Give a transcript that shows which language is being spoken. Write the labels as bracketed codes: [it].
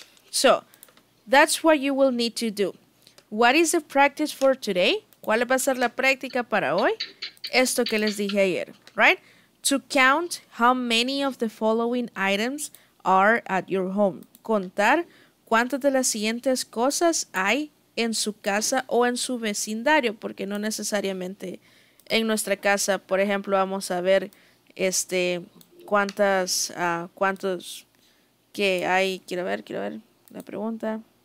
[en] So, that's what you will need to do. What is the practice for today? [es] ¿Cuál va a ser la práctica para hoy? Esto que les dije ayer, right? [en] To count how many of the following items are at your home. [es] Contar cuántas de las siguientes cosas hay en su casa o en su vecindario, porque no necesariamente en nuestra casa, por ejemplo, vamos a ver este cuántas cuántos que hay. Quiero ver la pregunta.